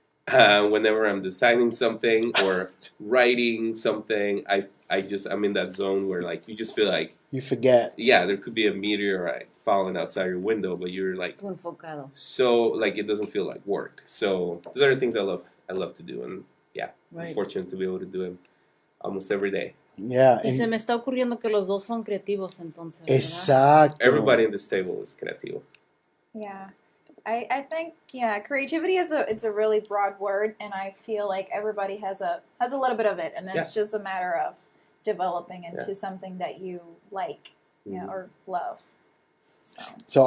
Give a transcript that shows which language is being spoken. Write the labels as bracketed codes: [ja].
[en] Whenever I'm designing something or writing something, I'm in that zone where like you just feel like you forget. Yeah, there could be a meteorite falling outside your window, but you're like [es] enfocado. [en] So like it doesn't feel like work. So those are the things I love to do, and yeah, right. I'm fortunate to be able to do them almost every day. Yeah. [es] Y se me está ocurriendo que los dos son creativos entonces. Exacto. [en] Everybody in this table is creativo. Yeah. I think, yeah, creativity is it's a really broad word, and I feel like everybody has a little bit of it, and it's just a matter of developing into something that you like, or love. So